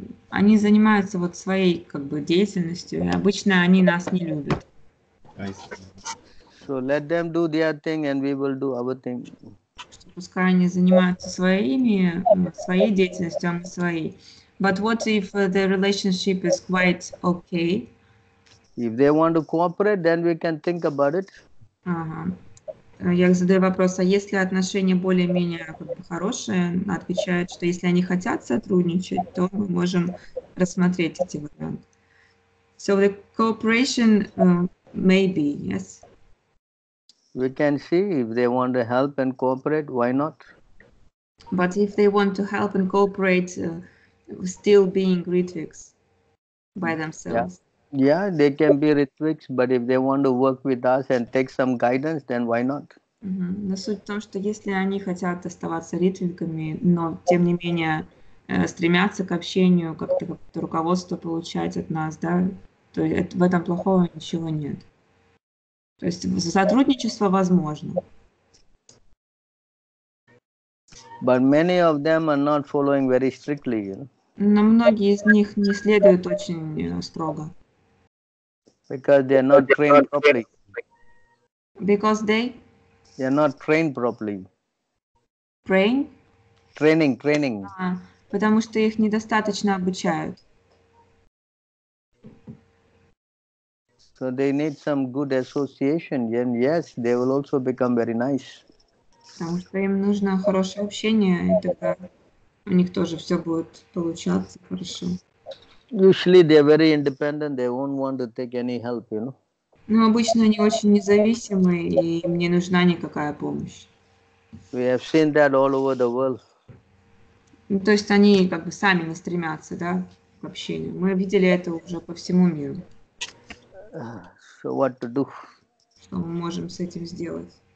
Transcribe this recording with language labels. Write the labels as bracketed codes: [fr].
[ru] они занимаются вот своей как бы деятельностью, и обычно они нас не любят. [en] So let them do their thing and we will do our thing. [ru] Пускай они занимаются своими, своей деятельностью, а мы своей. [en] But what if the relationship is quite okay? If they want to cooperate, then we can think about it. [ru] Я задаю вопрос, а если отношения более-менее хорошие, отвечают, что если они хотят сотрудничать, то мы можем рассмотреть эти варианты. [en] So the cooperation maybe, yes. We can see if they want to help and cooperate, why not? But if they want to help and cooperate, still being Ritviks by themselves. Yeah. Yeah, they can be Ritviks, but if they want to work with us and take some guidance, then why not? [ru] Но суть в том, что если они хотят оставаться ритвиками, но тем не менее стремятся к общению, как-то руководство получать от нас, да, то в этом плохого ничего нет. То есть сотрудничество возможно. [en] But many of them are not following very strictly. [ru] Но многие из них не следуют очень строго. [en] Because they are not trained properly. Because they are not trained properly. Training. [ru] Потому что их недостаточно обучают. [en] So they need some good association, and yes, they will also become very nice. [ru] Потому что им нужно хорошее общение, и тогда у них тоже все будет получаться хорошо. [en] Usually they are very independent, they won't want to take any help, you know. [ru] Ну, обычно они очень независимые, и им не нужна никакая помощь. [en] We have seen that all over the world. [ru] Ну, то есть они как бы сами не стремятся, да, к общению. Мы видели это уже по всему миру. [en] So what to do? [ru] Что мы можем с этим сделать?